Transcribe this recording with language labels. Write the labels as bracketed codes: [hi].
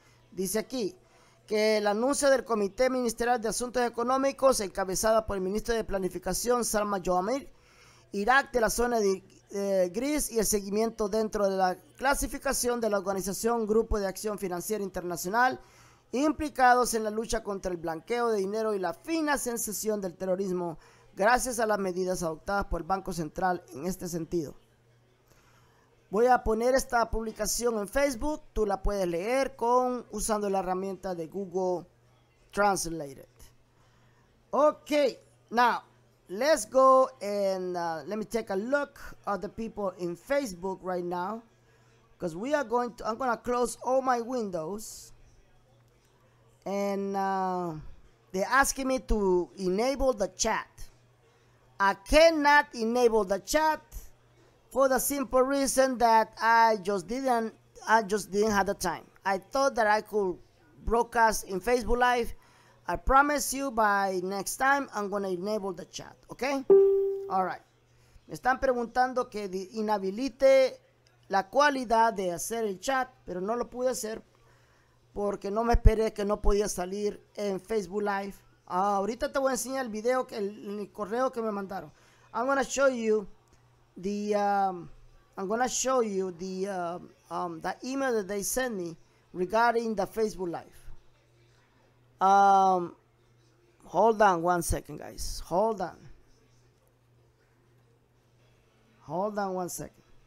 [es] Dice aquí, que el anuncio del Comité Ministerial de Asuntos Económicos, encabezada por el ministro de Planificación, Salma Jumali, Irak de la zona de gris y el seguimiento dentro de la clasificación de la organización Grupo de Acción Financiera Internacional, implicados en la lucha contra el blanqueo de dinero y la financiación del terrorismo, gracias a las medidas adoptadas por el Banco Central en este sentido. Voy a poner esta publicación en Facebook. Tú la puedes leer usando la herramienta de Google Translate. [en] Okay, now let's go and let me take a look at the people in Facebook right now, because we are going to. I'm gonna close all my windows, and they're asking me to enable the chat. I cannot enable the chat for the simple reason that I just didn't have the time. I thought that I could broadcast in Facebook Live. I promise you by next time I'm going to enable the chat, okay? All right. [es] Me están preguntando que inhabilite la cualidad de hacer el chat, pero no lo pude hacer porque no me esperé que no podía salir en Facebook Live. Ahorita te voy a enseñar el video, el correo que me mandaron. [en] I'm going to show you the email that they sent me regarding the Facebook Live. Hold on one second, guys. Hold on one second.